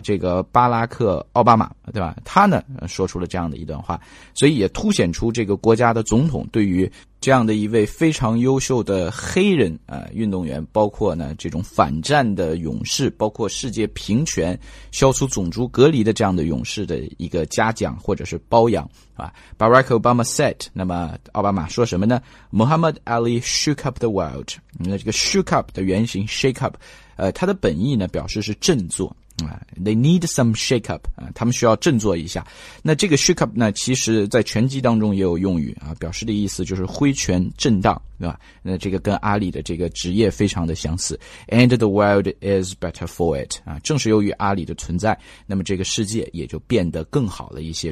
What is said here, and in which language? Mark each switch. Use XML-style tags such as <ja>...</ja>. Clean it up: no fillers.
<zh>这个巴拉克·奥巴马，对吧？他呢，说出了这样的一段话，所以也凸显出这个国家的总统对于这样的一位非常优秀的黑人啊、运动员，包括呢这种反战的勇士，包括世界平权、消除种族隔离的这样的勇士的一个嘉奖或者是褒扬啊。</zh> <en>Barack Obama said，</en> <zh>那么奥巴马说什么呢</zh> <en>？Muhammad Ali shook up the world。</en> <zh>那这个 shook up 的原型 shake up， 它的本意呢表示是振作。</zh> <en>They need some shake up,</en> <zh>他们需要振作一下。那这个 shake up 呢其实在拳击当中也有用语啊，表示的意思就是挥拳震荡，对吧？那这个跟阿里的这个职业非常的相似。</zh> <en>And the world is better for it,</en> <zh>啊，正是由于阿里的存在，那么这个世界也就变得更好了一些。</zh>